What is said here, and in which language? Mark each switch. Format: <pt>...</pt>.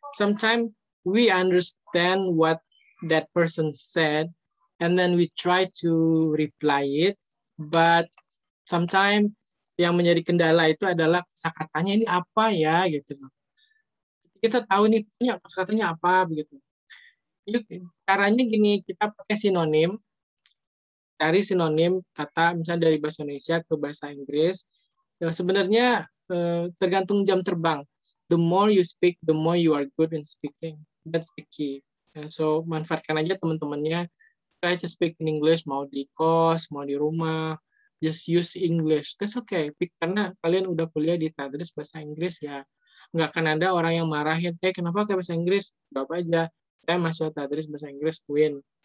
<en>Sometimes we understand what that person said, and then we try to reply it. But sometimes</en> <id>yang menjadi kendala itu adalah kosakatanya ini apa ya gitu. Kita tahu nih punya kosakatanya apa begitu. Caranya gini, kita pakai sinonim, cari sinonim kata misalnya dari bahasa Indonesia ke bahasa Inggris. Sebenarnya tergantung jam terbang.</id> <en>The more you speak, the more you are good in speaking. That's the key. So</en> <id>manfaatkan aja teman-temannya.</id> <en>Try to speak in English,</en> <id>mau di kos, mau di rumah,</id> <en>just use English. That's okay.</en> <id>Karena kalian udah kuliah di Tadris bahasa Inggris ya, nggak akan ada orang yang marahin. "Eh, kenapa kayak bahasa Inggris?" Gak apa aja. "Saya masih tadris bahasa Inggris, Queen.</id>